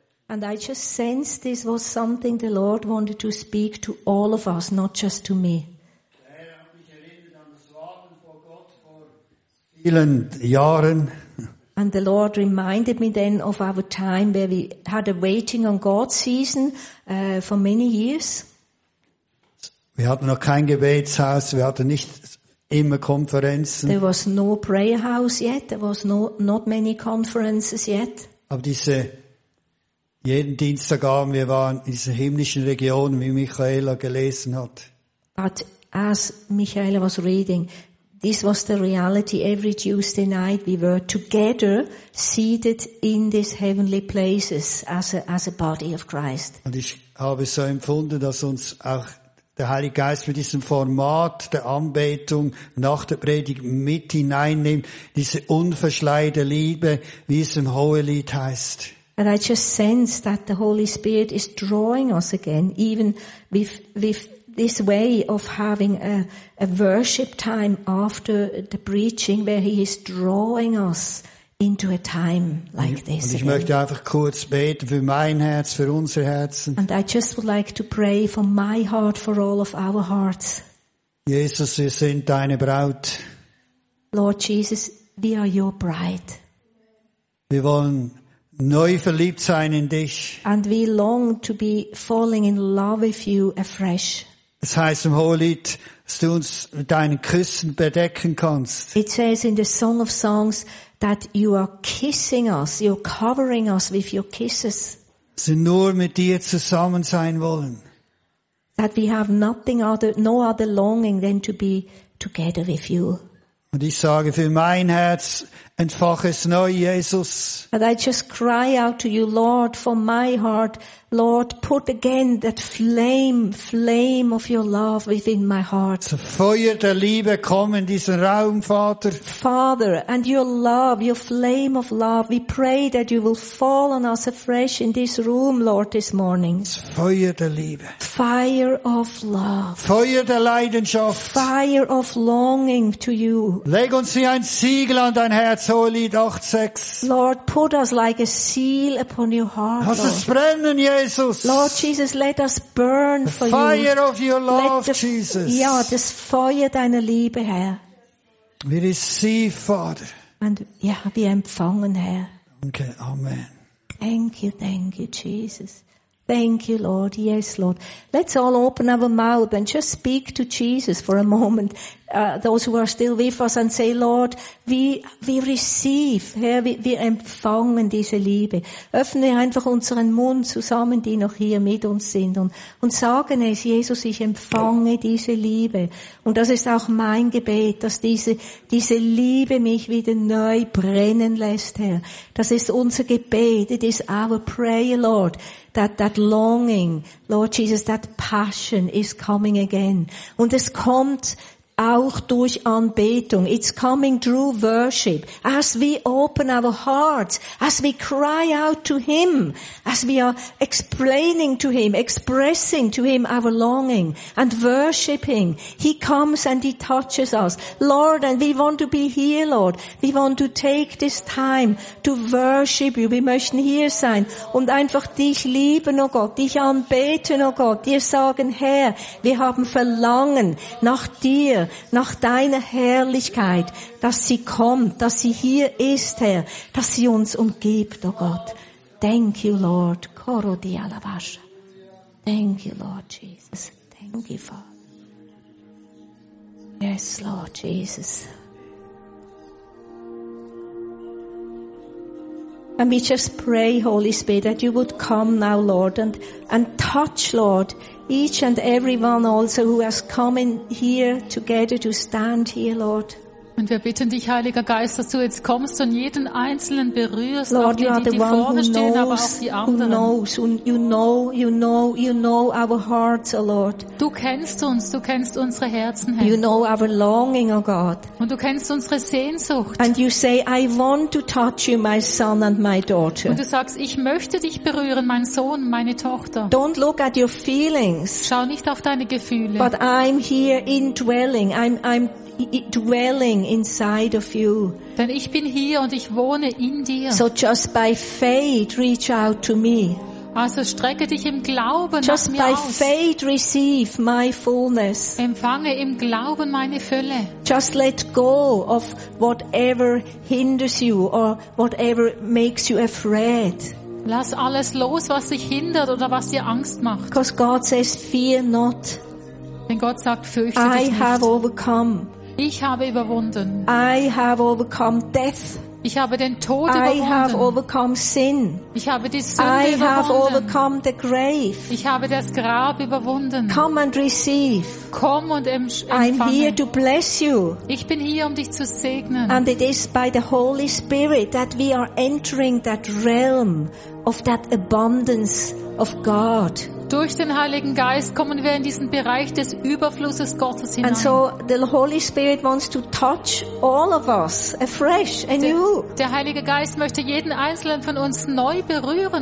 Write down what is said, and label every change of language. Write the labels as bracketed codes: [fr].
[en] And I just sensed this was something the Lord wanted to speak to all of us, not just to me. And the Lord reminded me then of our time where we had a waiting on God season for many years. We had [de] noch kein Gebetshaus, we hatten nicht immer Konferenzen. [en] There was no prayer house yet, there was not many conferences yet. [de] Aber diese, jeden Dienstagabend, wir waren in dieser himmlischen Region, wie Michaela gelesen hat. [en] But as Michaela was reading, this was the reality. Every Tuesday night we were together seated in these heavenly places as a body of Christ. [de] Und ich habe so empfunden, dass uns auch der Heilige Geist mit diesem Format der Anbetung nach der Predigt mit hineinnimmt, diese unverschleierte Liebe, wie es im Hohelied heißt. [en] And I just sense that the Holy Spirit is drawing us again, even with this way of having a worship time after the preaching, where he is drawing us into a time like this. [de] Und ich möchte einfach kurz beten für mein Herz, für unsere Herzen. [en] And I just would like to pray for my heart, for all of our hearts. [de] Jesus, wir sind deine Braut. [en] Lord Jesus, we are your bride. [de] Wir wollen neu verliebt sein in dich. [en] And we long to be falling in love with you afresh. [de] Es heißt im Hohelied, dass du uns mit deinen Küssen bedecken kannst. [en] It says in the Song of Songs that you are kissing us, you're covering us with your kisses. [de] Sie nur mit dir zusammen sein wollen. [en] That we have nothing other, no other longing than to be together with you. [de] Und ich sage für mein Herz, Entfach es neu, Jesus. [en] And I just cry out to you, Lord, from my heart, Lord, put again that flame of your love within my heart. [de] Das Feuer der Liebe komm in diesen Raum, Vater. [en] Father, and your love, your flame of love, we pray that you will fall on us afresh in this room, Lord, this morning. [de] Das Feuer der Liebe. [en] Fire of love. [de] Feuer der Leidenschaft. [en] Fire of longing to you. [de] Leg uns wie ein Siegel an dein Herz, Hohelied 8:6. [en] Lord, put us like a seal upon your heart. [de] Lass es brennen, Jesus. [en] Lord Jesus, let us burn the for fire you. Fire of your love, Jesus. [de] Ja, das Feuer deiner Liebe, Herr. [en] We receive, Father. [de] And ja, wir empfangen, Herr. [en] Okay, amen. Thank you, Jesus. Thank you, Lord. Yes, Lord. Let's all open our mouth and just speak to Jesus for a moment. Those who are still with us and say, Lord, we receive, [de] Herr, wir empfangen diese Liebe. Öffne einfach unseren Mund zusammen, die noch hier mit uns sind und sagen es, Jesus, ich empfange diese Liebe. Und das ist auch mein Gebet, dass diese Liebe mich wieder neu brennen lässt, Herr. Das ist unser Gebet. [en] It is our prayer, Lord, that longing, Lord Jesus, that passion is coming again. [de] Und es kommt auch durch Anbetung. [en] It's coming through worship. As we open our hearts, as we cry out to Him, as we are explaining to Him, expressing to Him our longing and worshiping, He comes and He touches us. Lord, and we want to be here, Lord. We want to take this time to worship You. [de] Wir möchten hier sein und einfach dich lieben, oh Gott, dich anbeten, oh Gott, dir sagen, Herr, wir haben Verlangen nach dir, nach deiner Herrlichkeit, dass sie kommt, dass sie hier ist, Herr, dass sie uns umgibt, oh Gott. [en] Thank you, Lord. Koro di alabasha. Thank you, Lord Jesus. Thank you, Father. Yes, Lord Jesus. And we just pray, Holy Spirit, that you would come now, Lord, and touch, Lord, each and every one also who has come in here together to stand here, Lord. [de] Und wir bitten dich, Heiliger Geist, dass du jetzt kommst und jeden Einzelnen berührst, Lord, auch die vorne stehen, [en] knows, [de] aber auch die anderen. [en] Knows, you know our hearts, oh Lord. [de] Du kennst uns, du kennst unsere Herzen, Herr. [en] You know our longing, oh God. [de] Und du kennst unsere Sehnsucht. [en] And you say, I want to touch you, my son and my daughter. [de] Und du sagst, ich möchte dich berühren, mein Sohn, meine Tochter. [en] Don't look at your feelings. [de] Schau nicht auf deine Gefühle. [en] But I'm here indwelling, I'm dwelling inside of you. [de] Denn ich bin hier und ich wohne in dir. [en] So just by faith reach out to me. [de] Also strecke dich im Glauben [en] just [de] nach mir aus. [en] Just by faith receive my fullness. [de] Empfange im Glauben meine Fülle. [en] Just let go of whatever hinders you or whatever makes you afraid. [de] Lass alles los, was dich hindert oder was dir Angst macht. [en] Because God says, fear not. [de] Denn Gott sagt, fürchte dich nicht. [en] I have overcome. [de] Ich habe überwunden. [en] I have overcome death. [de] Ich habe den Tod überwunden. [en] I have overcome sin. [de] Ich habe die Sünde [en] I [de] überwunden. [en] I have overcome the grave. [de] Ich habe das Grab überwunden. [en] Come and receive. [de] Komm und empfange. [en] I'm here to bless you. [de] Ich bin hier, um dich zu segnen. [en] And it is by the Holy Spirit that we are entering that realm of that abundance of God. [de] Durch den Heiligen Geist kommen wir in diesen Bereich des Überflusses Gottes hinein. [en] And so the Holy Spirit wants to touch all of us afresh and new. [de] Der Heilige Geist möchte jeden einzelnen von uns neu berühren.